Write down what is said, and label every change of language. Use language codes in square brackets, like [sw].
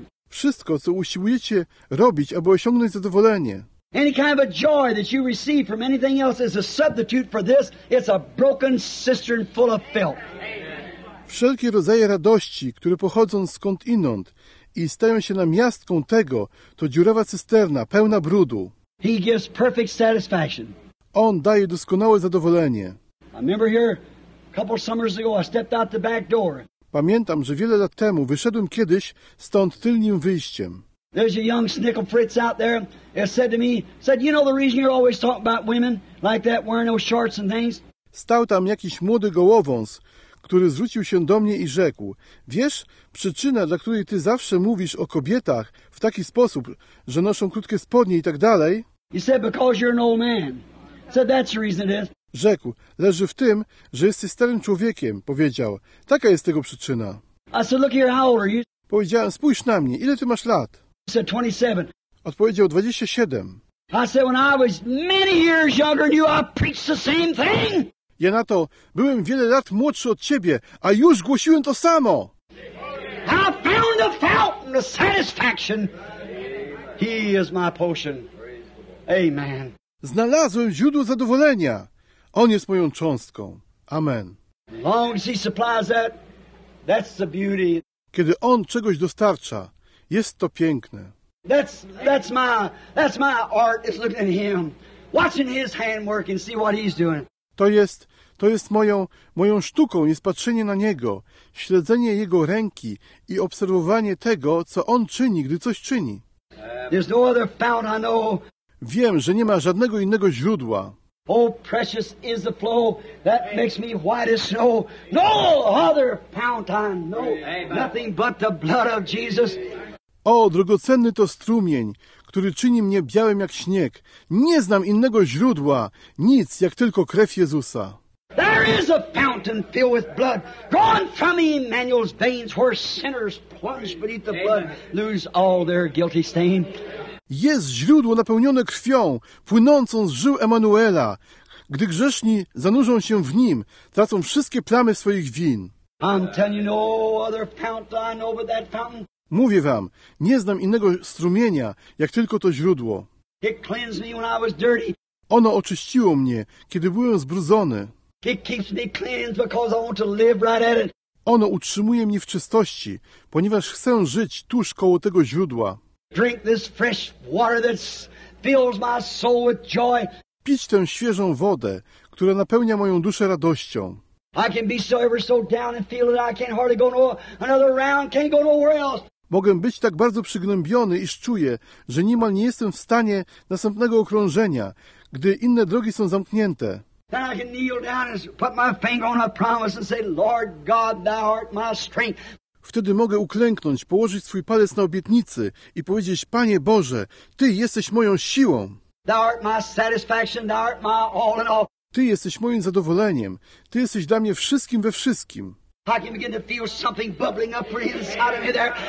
[pl] Wszystko, co usiłujecie robić, aby osiągnąć zadowolenie. [en] Any kind of a joy that you receive from anything else is a substitute for this. It's a broken cistern full of filth. [pl] Wszelkie rodzaje radości, które pochodzą skąd inąd i stają się namiastką tego, to dziurawa cysterna, pełna brudu. [en] He gives perfect satisfaction. [pl] On daje doskonałe zadowolenie. [en] I remember here, a couple summers ago, I stepped out the back door. [pl] Pamiętam, że wiele lat temu wyszedłem kiedyś stąd tylnym wyjściem. [en] There's a young Snickle Fritz out there that said to me, said, you know the reason you're always talking about women like that, wearing those shorts and things? [pl] Stał tam jakiś młody gołowąs, który zwrócił się do mnie i rzekł, wiesz, przyczyna, dla której ty zawsze mówisz o kobietach w taki sposób, że noszą krótkie spodnie i tak dalej? [en] He said, because you're an old man. So that's the reason it is. [pl] Rzekł, leży w tym, że jesteś starym człowiekiem, powiedział. Taka jest tego przyczyna. [en] I said, look here, how old are you? [pl] Powiedziałem, spójrz na mnie, ile ty masz lat? [en] He said, 27. [pl] Odpowiedział, 27. [en] I said, when I was many years younger than you, I preached the same thing. [pl] Ja na to, byłem wiele lat młodszy od ciebie, a już głosiłem to samo. [en] I found the fountain of satisfaction. He is my potion. Amen. [pl] Znalazłem źródło zadowolenia. On jest moją cząstką. Amen. [en] Long as he supplies that, that's the beauty. [pl] Kiedy On czegoś dostarcza, jest to piękne. [en] That's my art is looking at him. Watching his handwork and see what he's doing. [pl] To jest moją sztuką, jest patrzenie na Niego, śledzenie Jego ręki i obserwowanie tego, co On czyni, gdy coś czyni. [en] There's no other fountain I know. [pl] Wiem, że nie ma żadnego innego źródła, [en] Oh, precious is the flow that makes me white as snow. No other fountain, no, nothing but the blood of Jesus. [pl] O, drogocenny to strumień, który czyni mnie białym jak śnieg. Nie znam innego źródła, nic jak tylko krew Jezusa. [en] There is a fountain filled with blood, drawn from Emmanuel's veins, where sinners plunge beneath the blood, lose all their guilty stain. [pl] Jest źródło napełnione krwią, płynącą z żył Emanuela. Gdy grzeszni zanurzą się w nim, tracą wszystkie plamy swoich win. [en] I'm telling you, no other fountain over that fountain. [pl] Mówię wam, nie znam innego strumienia, jak tylko to źródło. [en] It cleansed me when I was dirty. [pl] Ono oczyściło mnie, kiedy byłem zbrudzony. [en] It keeps me cleansed because I want to live right at it. [pl] Ono utrzymuje mnie w czystości, ponieważ chcę żyć tuż koło tego źródła. [en] Drink this fresh water that fills my soul with joy. [pl] Pić tę świeżą wodę, która napełnia moją duszę radością. [en] I can be so ever so down and feel that I can't hardly go no another round, can't go nowhere else. [pl] Mogę być tak bardzo przygnębiony, iż czuję, że niemal nie jestem w stanie następnego okrążenia, gdy inne drogi są zamknięte. [en] Then I can kneel down and put my finger on a promise and say, Lord God, thou art my strength. [pl] Wtedy mogę uklęknąć, położyć swój palec na obietnicy i powiedzieć, Panie Boże, Ty jesteś moją siłą. [en] Thou art my satisfaction, thou art my all in all. [pl] Ty jesteś moim zadowoleniem. Ty jesteś dla mnie wszystkim we wszystkim. [en] I can begin to feel something bubbling up from inside of me there.